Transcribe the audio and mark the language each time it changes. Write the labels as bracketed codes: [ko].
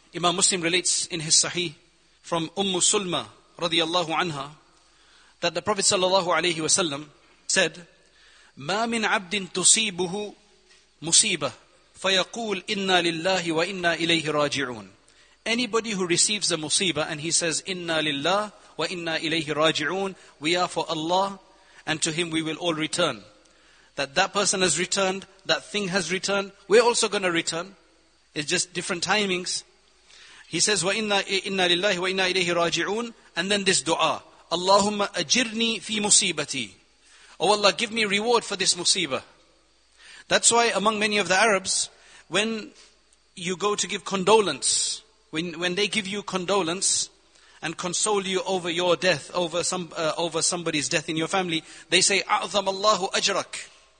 [en] Imam Muslim relates in his Sahih from Ummu Sulma radiallahu anha, that the Prophet sallallahu alayhi wa sallam said, [ar] مَا مِنْ عَبْدٍ تُصِيبُهُ مُصِيبَةٌ فَيَقُولْ إِنَّا لِلَّهِ وَإِنَّا إِلَيْهِ رَاجِعُونَ. [en] Anybody who receives a musibah and he says, [ar] إِنَّا لِلَّهِ وَإِنَّا إِلَيْهِ رَاجِعُونَ, [en] we are for Allah and to Him we will all return. That person has returned, that thing has returned, we're also going to return. It's just different timings. He says, [ar] وَإِنَّا لِلَّهِ وَإِنَّا إِلَيْهِ رَاجِعُونَ. [en] And then this dua, [ar] اللَّهُمَّ أَجِرْنِي فِي مُصِيبَتِي. [en] Oh Allah, give me reward for this musibah. That's why among many of the Arabs, when you go to give condolence, when they give you condolence and console you over your death, over somebody's death in your family, they say, [ar] أَعْظَمَ اللَّهُ أَجْرَكَ.